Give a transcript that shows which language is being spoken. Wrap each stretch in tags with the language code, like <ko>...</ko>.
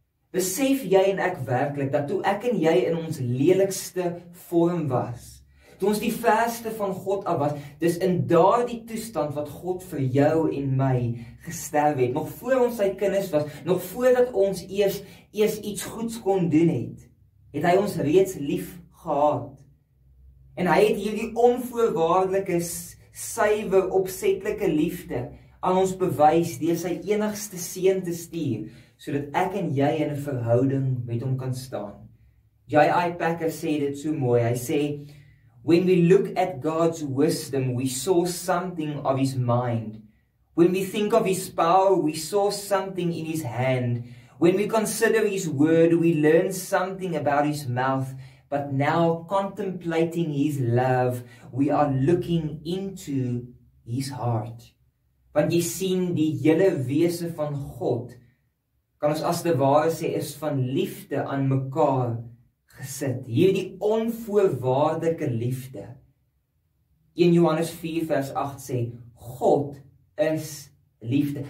<af>Besef jy en ek werklik dat toe ek en jy in ons lelikste vorm was, toe ons die verste van God af was, dis in daardie toestand wat God vir jou en my gesterf het, nog voor ons sy kinders was, nog voordat ons eers iets goeds kon doen het hy ons reeds lief gehad. En hy het hierdie onvoorwaardelike, suiwe, opsetlike liefde aan ons bewys deur sy enigste seun te stuur, sodat ek en jy in 'n verhouding met hom kan staan. J.I. Packer sê dit so mooi. Hy sê,</af> <en>"When we look at God's wisdom, we saw something of his mind. When we think of his power, we saw something in his hand. When we consider his word, we learn something about his mouth. But now contemplating his love, we are looking into his heart."</en> <af>Want jy sien, die hele wese van God, kan ons as te ware sê, is van liefde aan mekaar gesit. Hierdie onvoorwaardelike liefde. 1 Johannes 4 vers 8 sê, God is liefde.</af>